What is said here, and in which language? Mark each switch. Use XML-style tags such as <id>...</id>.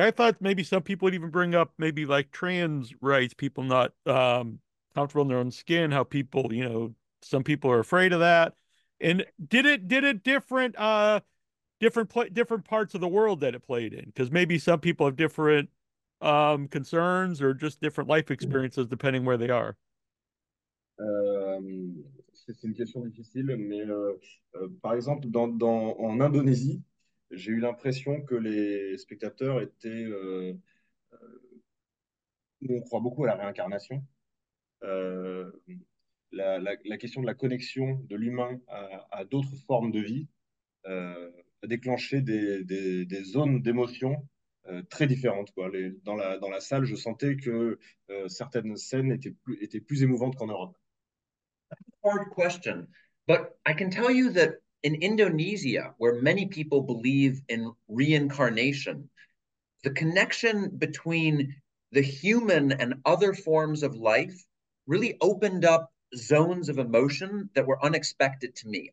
<en>I thought maybe some people would even bring up maybe like trans rights, people not comfortable in their own skin, how people, you know, some people are afraid of that. And did it different parts of the world that it played in? Because maybe some people have different concerns or just different life experiences depending where they are.</en> <fr>C'est une question difficile, mais par exemple, en Indonésie, j'ai eu l'impression que les spectateurs étaient... on croit beaucoup à la réincarnation. La question de la connexion de l'humain à d'autres formes de vie a déclenché des zones d'émotion très différentes. Quoi. Dans la salle, je sentais que certaines scènes étaient plus émouvantes qu'en Europe.</fr> <en>Hard question, but I can tell you that in Indonesia, where many people believe in reincarnation, the connection between the human and other forms of life really opened up zones of emotion that were unexpected to me.</en>